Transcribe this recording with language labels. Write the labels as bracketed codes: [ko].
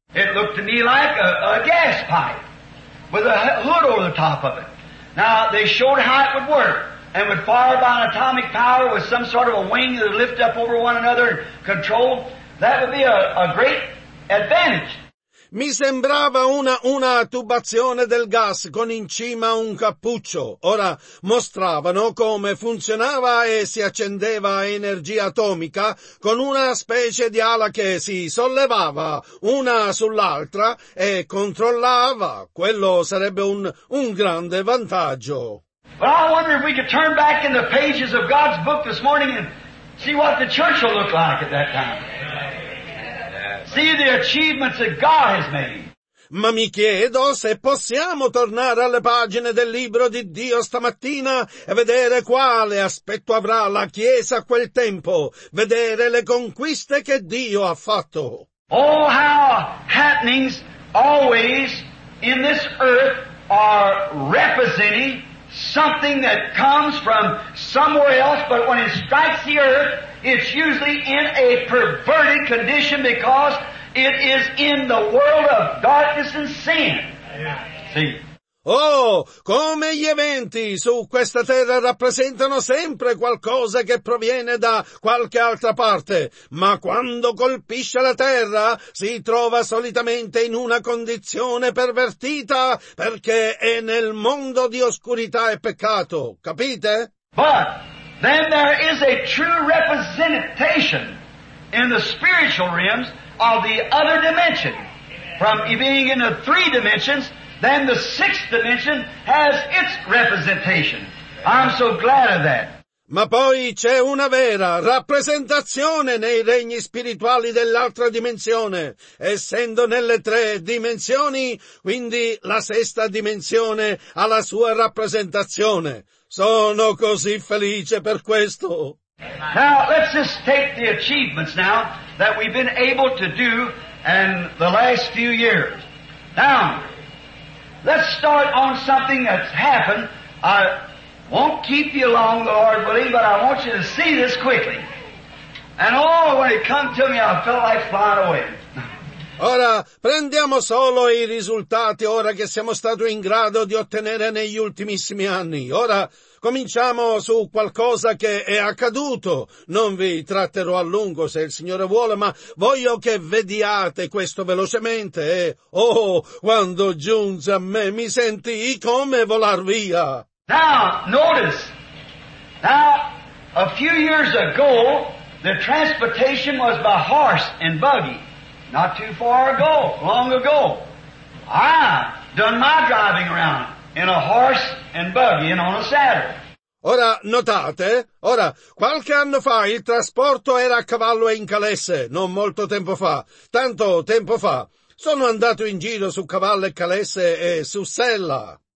[en] It looked to me like a gas pipe with a hood over the top of it. Now, they showed how it would work. And would fire by an atomic power with some sort of a wing that would lift up over one another and control, that would be a great advantage. [it] Mi sembrava una tubazione del gas con in cima un cappuccio. Ora mostravano come funzionava e si accendeva energia atomica con una specie di ala che si sollevava una sull'altra e controllava. Quello sarebbe un grande vantaggio. [en] But I wonder if we could turn back in the pages of God's book this morning and see what the church will look like at that time. See the achievements that God has made. [it] Ma mi chiedo se possiamo tornare alle pagine del libro di Dio stamattina e vedere quale aspetto avrà la Chiesa a quel tempo, vedere le conquiste che Dio ha fatto. [en] Oh, how happenings always in this earth are representing something that comes from somewhere else, but when it strikes the earth, it's usually in a perverted condition because it is in the world of darkness and sin. See? [it] Oh, come gli eventi su questa terra rappresentano sempre qualcosa che proviene da qualche altra parte, ma quando colpisce la terra si trova solitamente in una condizione pervertita perché è nel mondo di oscurità e peccato, capite? [en] But then there is a true representation in the spiritual realms of the other dimension, from being in the 3 dimensions. Then the 6th dimension has its representation. I'm so glad of that. [it] Ma poi c'è una vera rappresentazione nei regni spirituali dell'altra dimensione, essendo nelle 3 dimensioni, quindi la 6ª dimensione ha la sua rappresentazione. Sono così felice per questo. [en] Now, let's just take the achievements now that we've been able to do in the last few years. Now, let's start on something that's happened. I won't keep you long, Lord willing, but I want you to see this quickly. And oh, when it come to me, I felt like flying away. [it] Ora, prendiamo solo i risultati ora che siamo stati in grado di ottenere negli ultimissimi anni. Ora, cominciamo su qualcosa che è accaduto. Non vi tratterò a lungo se il Signore vuole, ma voglio che vediate questo velocemente e, oh, quando giunse a me mi sentii come volar via. [en] Now, notice. Now, a few years ago, the transportation was by horse and buggy. Not too far ago, long ago, I done my driving around in a horse and buggy and on a saddle. [it] Ora, notate, ora, qualche anno fa il trasporto era a cavallo e in calesse, non molto tempo fa, tanto tempo fa. Sono andato in giro su cavallo e calesse e su sella.